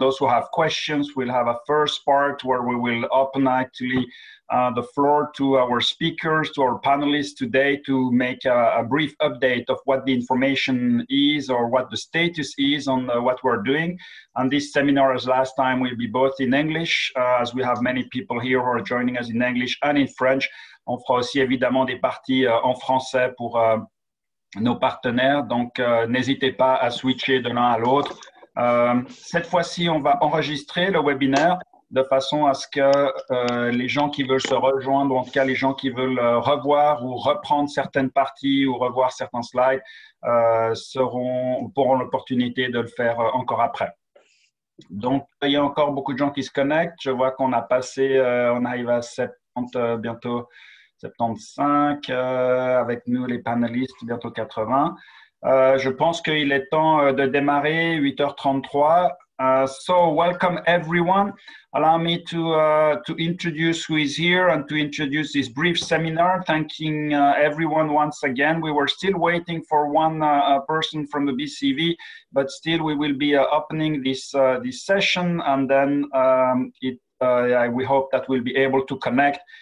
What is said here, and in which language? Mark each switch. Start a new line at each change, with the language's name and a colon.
English: Those who have questions, we'll have a first part where we will open actually the floor to our speakers, to our panelists today, to make a brief update of what the information is or what the status is on what we're doing. And this seminar, as last time, will be both in English, as we have many people here who are joining us in English, and in French.
French: On fera aussi évidemment des parties en français pour nos partenaires, donc n'hésitez pas à switcher de l'un à l'autre. Cette fois-ci, on va enregistrer le webinaire de façon à ce que les gens qui veulent se rejoindre, ou en tout cas les gens qui veulent revoir ou reprendre certaines parties ou revoir certains slides, pourront l'opportunité de le faire encore après. Donc, il y a encore beaucoup de gens qui se connectent. Je vois qu'on a passé, on arrive à 70 bientôt. 75 avec nous les panélistes, bientôt 80. Je pense qu'il est temps de démarrer, 8h33.
English: So welcome everyone. Allow me to introduce who is here and to introduce this brief seminar. Thanking everyone once again. We were still waiting for one person from the BCV, but still we will be opening this this session, and then we hope that we'll be able to connect.